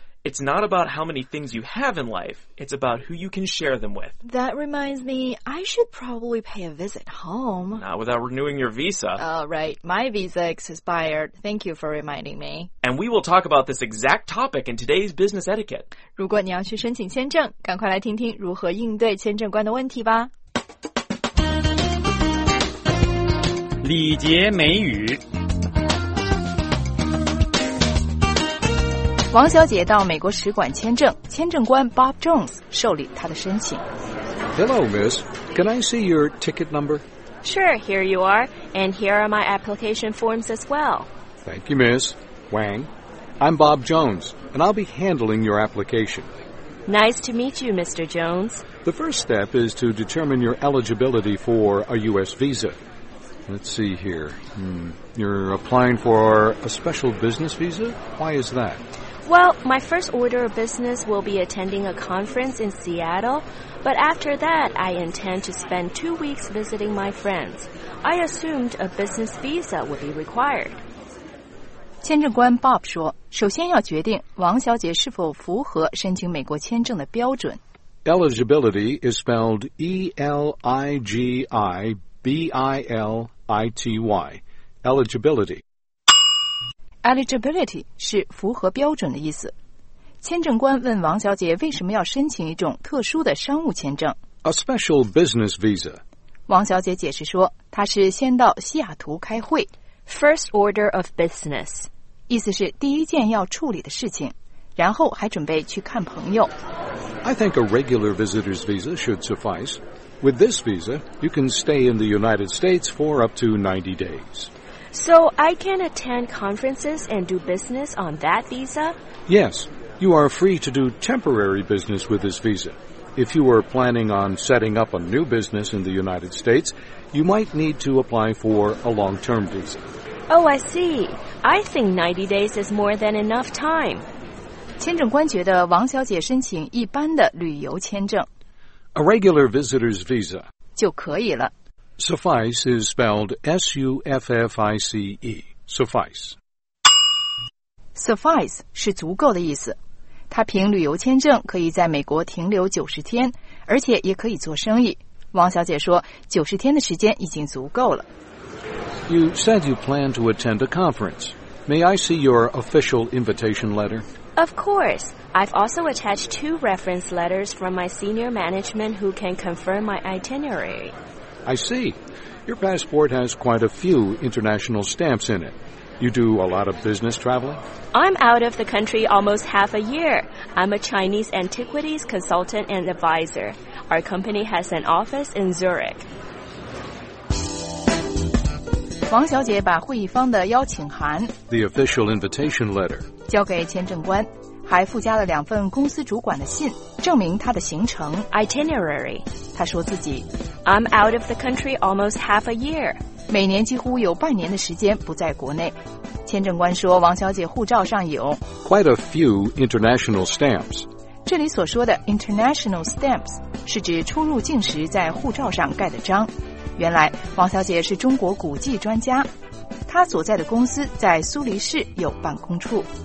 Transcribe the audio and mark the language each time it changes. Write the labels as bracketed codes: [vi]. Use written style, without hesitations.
[en] It's not about how many things you have in life. It's about who you can share them with. That reminds me, I should probably pay a visit home. Not without renewing your visa. Oh, right. My visa expired. Thank you for reminding me. And we will talk about this exact topic in today's business etiquette. [zh] 如果你要去申请签证，赶快来听听如何应对签证官的问题吧。礼节美语。王小姐到美国使馆签证，签证官 Bob Jones 受理她的申请。 [en] Hello, miss. Can I see your ticket number? Sure, here you are. And here are my application forms as well. Thank you, miss. Wang. I'm Bob Jones, and I'll be handling your application. Nice to meet you, Mr. Jones. The first step is to determine your eligibility for a U.S. visa. Let's see here. You're applying for a special business visa? Why is that? Well, my first order of business will be attending a conference in Seattle. But after that, I intend to spend 2 weeks visiting my friends. I assumed a business visa would be required. [zh] 签证官 Bob 说，首先要决定王小姐是否符合申请美国签证的标准。 [en] Eligibility is spelled E-L-I-G-I-B-I-L-I-T-Y. Eligibility. [zh] Eligibility 是符合标准的意思。签证官问王小姐为什么要申请一种特殊的商务签证。 [en] A special business visa. [zh] 王小姐解释说，她是先到西雅图开会。 [en] First order of business. [zh] 意思是第一件要处理的事情，然后还准备去看朋友。 [en] I think a regular visitor's visa should suffice. With this visa, you can stay in the United States for up to 90 days. So I can attend conferences and do business on that visa? Yes, you are free to do temporary business with this visa. If you are planning on setting up a new business in the United States, you might need to apply for a long-term visa. Oh, I see. I think 90 days is more than enough time. [zh] 签证官觉得王小姐申请一般的旅游签证。 [en] A regular visitor's visa [zh] 就可以了。 [en] Suffice is spelled S-U-F-F-I-C-E. Suffice. [zh] Suffice 是足够的意思。他凭旅游签证可以在美国停留90天，而且也可以做生意。王小姐说，90天的时间已经足够了。 [en] You said you plan to attend a conference. May I see your official invitation letter? Of course. I've also attached 2 reference letters from my senior management who can confirm my itinerary. I see. Your passport has quite a few international stamps in it. You do a lot of business traveling? I'm out of the country almost half a year. I'm a Chinese antiquities consultant and advisor. Our company has an office in Zurich. [zh] 王小姐把会议方的邀请函 [en] The official invitation letter [zh] 交给签证官，还附加了两份公司主管的信，证明她的行程 [en] Itinerary [zh] 她说自己 [en] I'm out of the country almost half a year. [zh] 每年几乎有半年的时间不在国内。签证官说，王小姐护照上有 [en] Quite a few international stamps. [zh] 这里所说的 international stamps 是指出入境时在护照上盖的章。原来王小姐是中国古迹专家，她所在的公司在苏黎世有办公处。